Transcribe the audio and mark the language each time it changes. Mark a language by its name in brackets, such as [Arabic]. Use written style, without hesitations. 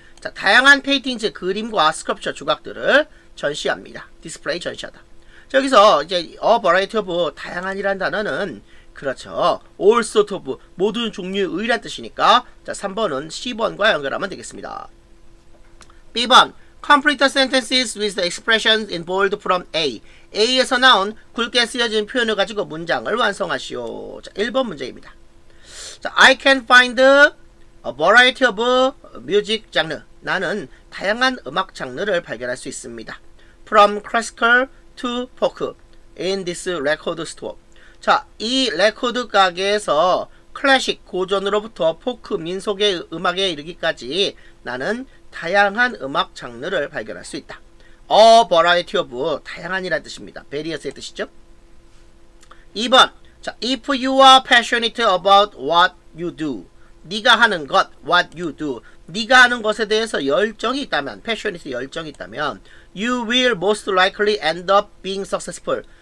[Korean] 자, 다양한 페인팅즈, 그림과 스컬프처 조각들을 전시합니다. 디스플레이, 전시하다. 자, 여기서 이제 a variety of, 다양한이라는 단어는 그렇죠, all sort of, 모든 종류의 이란 뜻이니까. 자, 3번은 C번과 연결하면 되겠습니다. [English] B번, complete sentences with expressions in bold from A. [Korean] A에서 나온 굵게 쓰여진 표현을 가지고 문장을 완성하시오. 자, 1번 문제입니다. 자, [English] I can find a variety of music genre. [Korean] 나는 다양한 음악 장르를 발견할 수 있습니다. [English] From classical to folk in this record store. [Korean] 자, 이 레코드 가게에서 클래식, 고전으로부터 포크, 민속의 음악에 이르기까지 나는 다양한 음악 장르를 발견할 수 있다. A variety of, 다양한이라는 뜻입니다. Various의 뜻이죠. 2번, 자, [English] if you are passionate about what you do, [Korean] 네가 하는 것, [English] what you do, [Korean] 네가 하는 것에 대해서 열정이 있다면, [English] passionate, [Korean] 열정이 있다면, [English] you will most likely end up being successful.